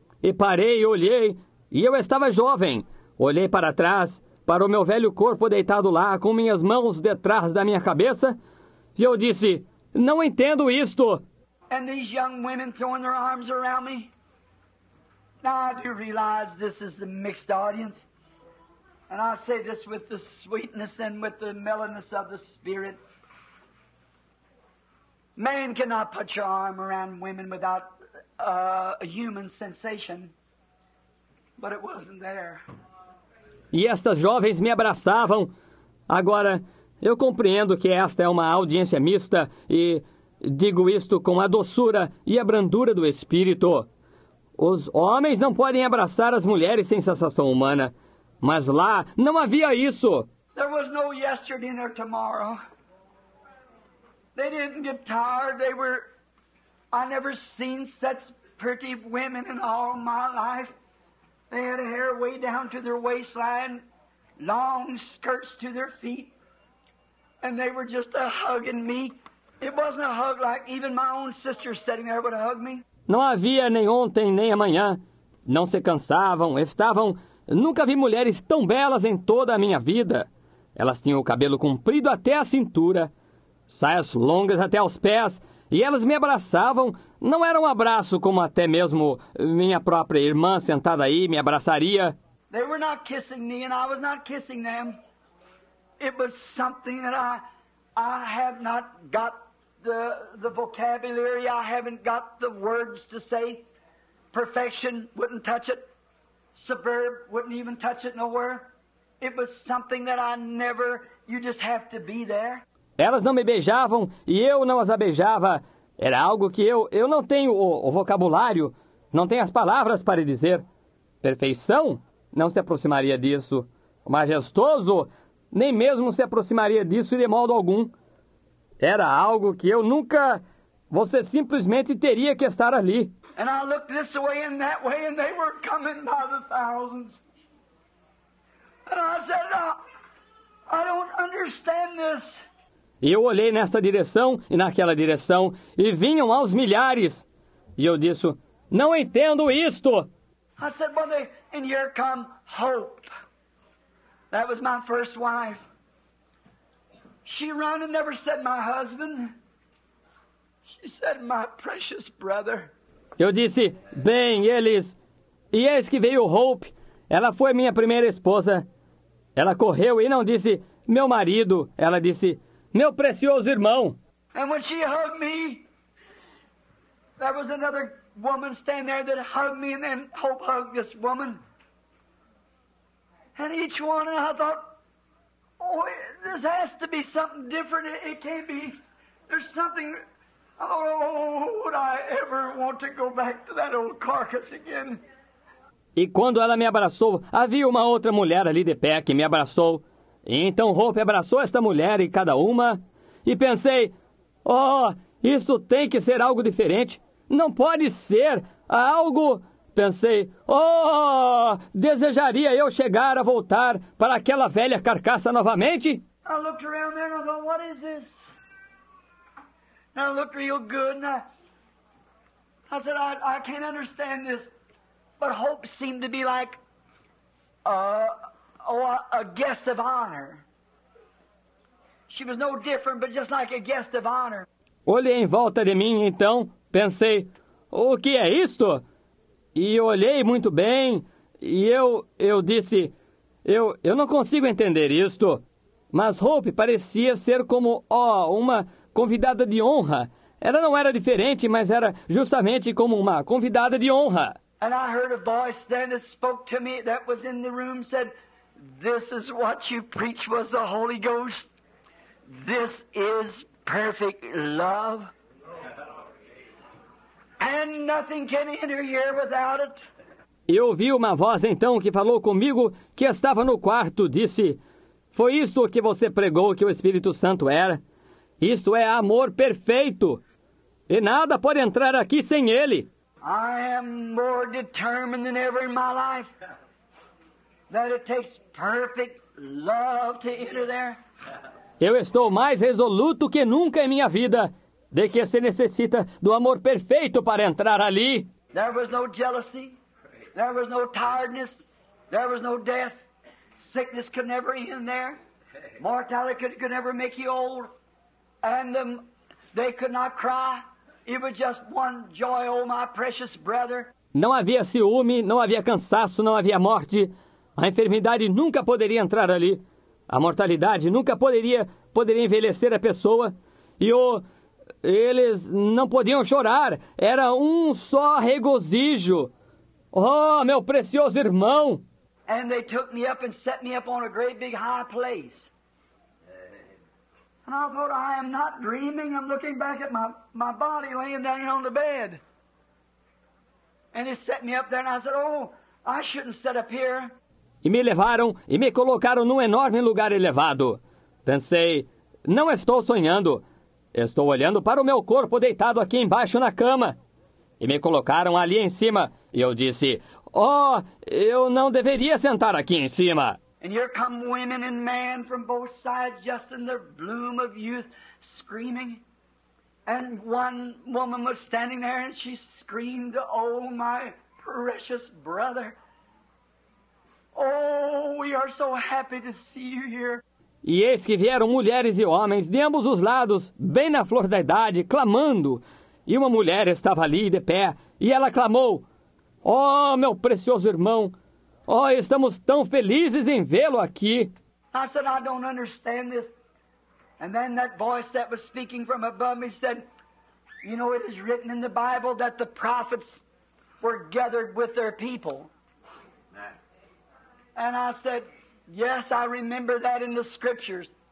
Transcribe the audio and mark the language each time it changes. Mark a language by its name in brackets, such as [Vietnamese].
[Portuguese] E parei e olhei, e eu estava jovem. Olhei para trás, para o meu velho corpo deitado lá, com minhas mãos detrás da minha cabeça. E eu disse, não entendo isto. [English] And these young women throwing their arms around me. Now I do realize this is the mixed audience. And I say this with the sweetness and with the mellowness of the Spirit. Man cannot put your arm around women without a human sensation. But it wasn't there. [Portuguese] E estas jovens me abraçavam. Agora, eu compreendo que esta é uma audiência mista e digo isto com a doçura e a brandura do Espírito. Os homens não podem abraçar as mulheres sem sensação humana. Mas lá não havia isso. [English] There was no yesterday nor tomorrow. They didn't get tired. They were... I never seen such pretty women in all my life. They had hair way down to their waistline, long skirts to their feet. And they were just a-hugging me. It wasn't a hug like even my own sister sitting there would hug me. [Portuguese] Não havia nem ontem nem amanhã. Não se cansavam, estavam... Nunca vi mulheres tão belas em toda a minha vida. Elas tinham o cabelo comprido até a cintura, saias longas até aos pés, e elas me abraçavam. Não era um abraço como até mesmo minha própria irmã sentada aí me abraçaria. [English] They were not kissing me and I was not kissing them. It was something that I have not got the vocabulary, I haven't got the words to say. Perfection wouldn't touch it. Suburb wouldn't even touch it nowhere. It was something that I never... You just have to be there. [Portuguese] Elas não me beijavam e eu não as beijava. Era algo que eu não tenho o vocabulário, não tenho as palavras para dizer. Perfeição não se aproximaria disso. Majestoso nem mesmo se aproximaria disso de modo algum. Era algo que eu nunca... Você simplesmente teria que estar ali. [English] And I looked this way and that way, and they were coming by the thousands. And I said, I don't understand this. [Portuguese] E eu olhei nessa direção e naquela direção, e vinham aos milhares. E eu disse, não entendo isto. [English] I said, well, and here come Hope. That was my first wife. She ran and never said my husband. She said, my precious brother. [Portuguese] Eu disse, bem, eles... E eis que veio Hope. Ela foi minha primeira esposa. Ela correu e não disse, meu marido. Ela disse, meu precioso irmão. [English] And when she hugged me, there was another woman standing there that hugged me, and then Hope hugged this woman. And each one, and I thought, oh, this has to be something different. It can't be... There's something... Oh, would I ever want to go back to that old carcass again? [Portuguese] E quando ela me abraçou, havia uma outra mulher ali de pé que me abraçou. E então Hope abraçou esta mulher e cada uma. E pensei, oh, isso tem que ser algo diferente. Não pode ser algo... Pensei, oh, desejaria eu chegar a voltar para aquela velha carcaça novamente? [English] I looked around there and I thought, what is this? And I looked real good, and I said, I can't understand this. But Hope seemed to be like a guest of honor. She was no different, but just like a guest of honor. [Portuguese] Olhei em volta de mim, então, pensei, o que é isto? E olhei muito bem, e eu disse, eu não consigo entender isto. Mas Hope parecia ser como, uma... convidada de honra. Ela não era diferente, mas era justamente como uma convidada de honra. [English] And I heard a voice then that spoke to me that was in the room said, this is what you preach was the Holy Ghost. This is perfect love. And nothing can enter here without it. [Portuguese] E ouvi uma voz então que falou comigo que estava no quarto, disse, foi isso que você pregou que o Espírito Santo era? Isto é amor perfeito. E nada pode entrar aqui sem ele. [English] I am more determined than ever in my life that it takes perfect love to enter there. [Portuguese] Eu estou mais resoluto que nunca em minha vida de que se necessita do amor perfeito para entrar ali. [English] There was no jealousy. There was no tiredness. There was no death. Sickness could never end there. Mortality could never make you old. And they could not cry. It was just one joy, oh my precious brother. [Portuguese] Não havia ciúme, não havia cansaço, não havia morte. A enfermidade nunca poderia entrar ali. A mortalidade nunca poderia envelhecer a pessoa. E Eles não podiam chorar. Era um só regozijo. Oh, meu precioso irmão! [English] And they took me up and set me up on a great big high place. And I thought, I am not dreaming. I'm looking back at my body laying down here on the bed. And they set me up there and I said, oh, I shouldn't sit up here. [Portuguese] E me levaram e me colocaram num enorme lugar elevado. Pensei, não estou sonhando. Estou olhando para o meu corpo deitado aqui embaixo na cama. E me colocaram ali em cima. E eu disse, oh, eu não deveria sentar aqui em cima. [English] And here come women and men from both sides, just in their bloom of youth, screaming. And one woman was standing there and she screamed, oh, my precious brother. Oh, we are so happy to see you here. [Portuguese] E eis que vieram mulheres e homens de ambos os lados, bem na flor da idade, clamando. E uma mulher estava ali de pé, e ela clamou, oh, meu precioso irmão, oh, estamos tão felizes em vê-lo aqui. [English] I said, I don't understand this. And then that voice that was speaking from above me said, you know, it is written in the Bible that the prophets were gathered with their people. And I said, yes, I remember that in the scriptures.